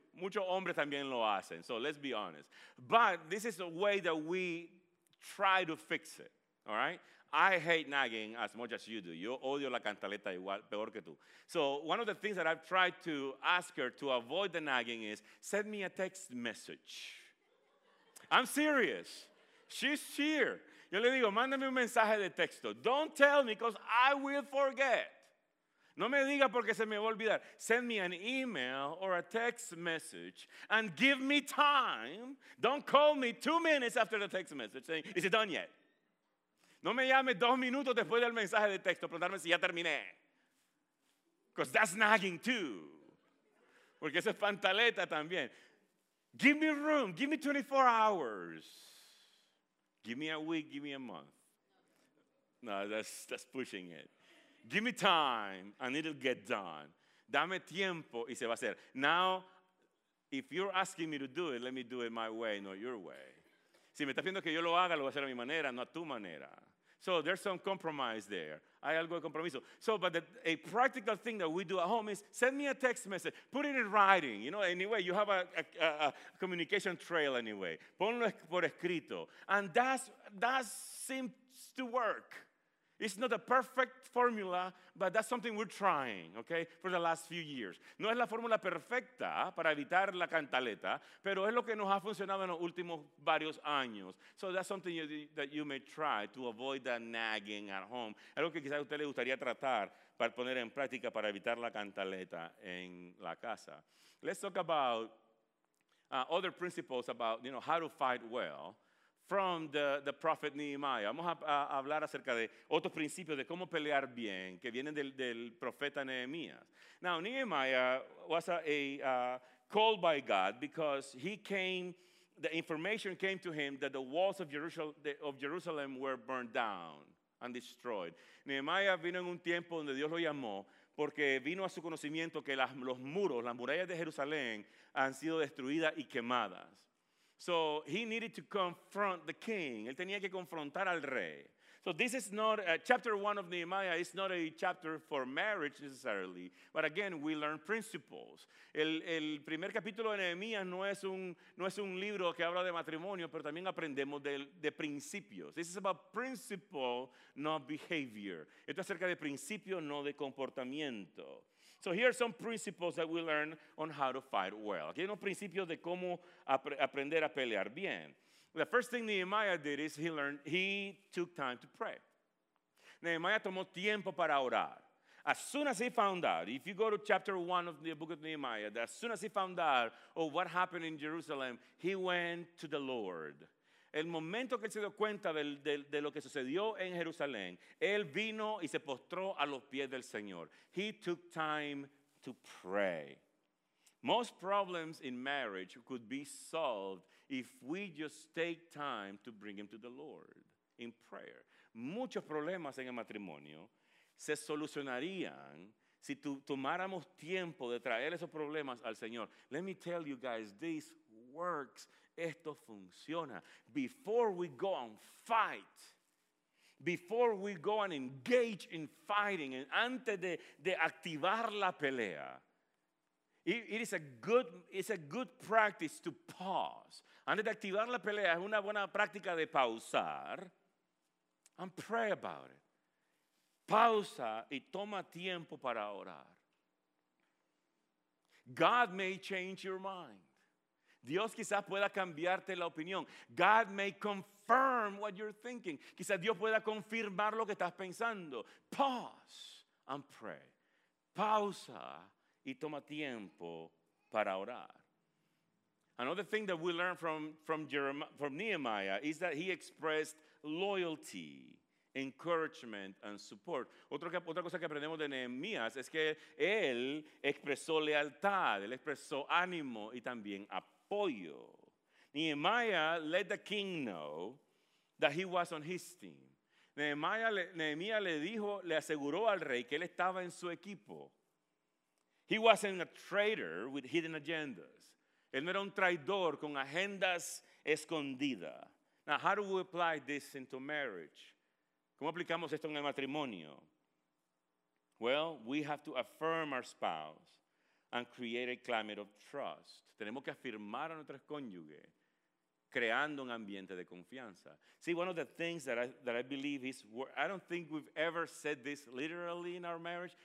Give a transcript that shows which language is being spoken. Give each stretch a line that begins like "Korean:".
Spanish: Muchos hombres también lo hacen,
English: so let's be honest. But this is a way that we try to fix it, all right? I hate nagging as much as you do.
Spanish: Yo odio la cantaleta igual, peor que tú.
English: So one of the things that I've tried to ask her to avoid the nagging is, send me a text message. I'm serious. She's here.
Spanish: Yo le digo, mándame un mensaje de texto.
English: Don't tell me because I will forget.
Spanish: No me diga porque se me va a olvidar.
English: Send me an email or a text message and give me time. Don't call me 2 minutes after the text message saying, is it done yet?
Spanish: No me llame 2 minutos después del mensaje de texto preguntarme si ya terminé.
English: Because that's nagging too.
Spanish: Porque esa es pantaleta también.
English: Give me room. Give me 24 hours. Give me a week, give me a month. No, that's pushing it. Give me time and it'll get done.
Spanish: Dame tiempo y se va a hacer.
English: Now, if you're asking me to do it, let me do it my way, not your way.
Spanish: Si me estás pidiendo que yo lo haga, lo voy a hacer a mi manera, no a tu manera.
English: So there's some compromise there.
Spanish: Hay algo de compromiso.
English: So, but a practical thing that we do at home is send me a text message. Put it in writing. You know, anyway, you have a communication trail anyway.
Spanish: Ponlo por escrito.
English: And that seems to work. It's not a perfect formula, but that's something we're trying, okay, for the last few years.
Spanish: No es la fórmula perfecta para evitar la cantaleta, pero es lo que nos ha funcionado en los últimos varios años.
English: So that's something that you may try to avoid that nagging at home.
Spanish: Algo que quizás a usted le gustaría tratar para poner en práctica para evitar la cantaleta en la casa.
English: Let's talk about other principles about, you know, how to fight well. From the prophet Nehemiah.
Spanish: Vamos a hablar acerca de otros principios de cómo pelear bien que vienen del profeta Nehemías.
English: Now, Nehemiah was called by God because the information came to him that the walls of Jerusalem were burned down and destroyed.
Spanish: Nehemiah vino en un tiempo donde Dios lo llamó porque vino a su conocimiento que los muros, las murallas de Jerusalén han sido destruidas y quemadas.
English: So he needed to confront the king.
Spanish: Él tenía que confrontar al rey.
English: So this is not, chapter one of Nehemiah is not a chapter for marriage necessarily. But again, we learn principles.
Spanish: El primer capítulo de Nehemiah no es un libro que habla de matrimonio, pero también aprendemos de principios.
English: This is about principle, not behavior.
Spanish: Esto es acerca de principio, no de comportamiento.
English: So here are some principles that we learn on how to fight well.
Spanish: Aquí hay unos principios de cómo aprender a pelear bien.
English: The first thing Nehemiah did is he took time to pray.
Spanish: Nehemiah tomó tiempo para orar.
English: As soon as he found out, if you go to chapter 1 of the book of Nehemiah, as soon as he found out of what happened in Jerusalem, he went to the Lord.
Spanish: El momento que él se dio cuenta de lo que sucedió en Jerusalén, él vino y se postró a los pies del Señor.
English: He took time to pray. Most problems in marriage could be solved if we just take time to bring him to the Lord in prayer.
Spanish: Muchos problemas en el matrimonio se solucionarían si tomáramos tiempo de traer esos problemas al Señor.
English: Let me tell you guys, this works.
Spanish: Esto funciona.
English: Before we go and fight, before we go and engage in fighting, and
Spanish: antes de activar la pelea,
English: it's a good practice to pause.
Spanish: Antes de activar la pelea, es una buena práctica de pausar
English: and pray about it.
Spanish: Pausa y toma tiempo para orar.
English: God may change your mind.
Spanish: Dios quizás pueda cambiarte la opinión.
English: God may confirm what you're thinking.
Spanish: Quizás Dios pueda confirmar lo que estás pensando.
English: Pause and pray.
Spanish: Pausa y toma tiempo para orar.
English: Another thing that we learn from Nehemiah is that he expressed loyalty, encouragement, and support.
Spanish: Otra cosa que aprendemos de Nehemías es que él expresó lealtad, él expresó ánimo y también apoyo.
English: Nehemiah let the king know that he was on his team.
Spanish: Nehemiah le aseguró al rey que él estaba en su equipo.
English: He wasn't a traitor with hidden agendas.
Spanish: Él no era un traidor con agendas escondidas.
English: Now, how do we apply this into marriage?
Spanish: ¿Cómo aplicamos esto en el matrimonio?
English: Well, we have to affirm our spouse and create a climate of trust.
Spanish: Tenemos que afirmar a nuestros cónyuges, creando un ambiente de confianza.
English: See, one of the things that I believe is, I don't think we've ever said this literally in our marriage.